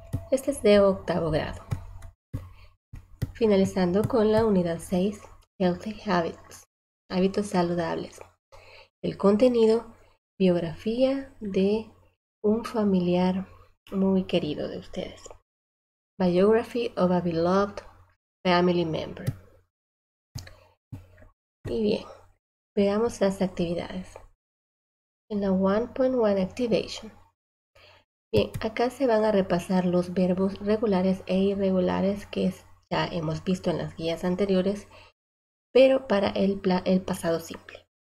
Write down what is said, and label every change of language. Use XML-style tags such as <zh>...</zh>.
<es>Este es de octavo grado. Finalizando con la unidad 6,</es> <en>Healthy Habits,</en> <es>hábitos saludables. El contenido, biografía de un familiar muy querido de ustedes.</es> <en>Biography of a beloved family member.</en> <es>Y bien, veamos las actividades. En la 1.1 Activation. Bien, acá se van a repasar los verbos regulares e irregulares que ya hemos visto en las guías anteriores, pero para el pasado simple.</es>